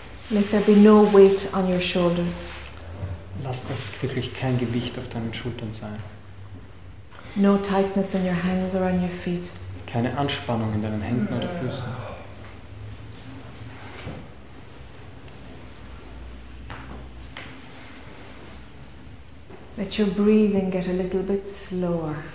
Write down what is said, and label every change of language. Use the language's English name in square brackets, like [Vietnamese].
[English] Let there be no weight on your shoulders. [German] Lass da wirklich kein Gewicht auf deinen Schultern sein. [English] No tightness in your hands or on your feet. [German] Keine Anspannung in deinen Händen oder Füßen. [English] Let your breathing get a little bit slower.